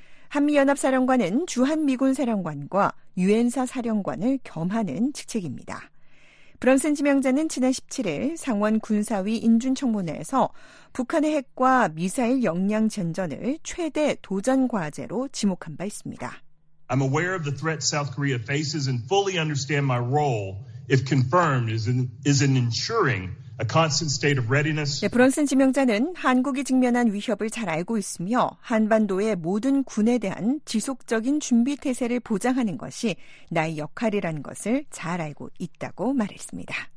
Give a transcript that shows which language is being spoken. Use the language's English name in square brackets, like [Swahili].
[Korean] 한미연합사령관은 주한미군 사령관과 유엔사 사령관을 겸하는 직책입니다. 브런슨 지명자는 지난 17일 상원 군사위 인준청문회에서 북한의 핵과 미사일 역량 전전을 최대 도전 과제로 지목한 바 있습니다. [English] I'm aware of the threat South Korea faces and fully understand my role, if confirmed, is in ensuring a constant state of readiness. [Korean] 네, 브런슨 지명자는 한국이 직면한 위협을 잘 알고 있으며 한반도의 모든 군에 대한 지속적인 준비 태세를 보장하는 것이 나의 역할이라는 것을 잘 알고 있다고 말했습니다.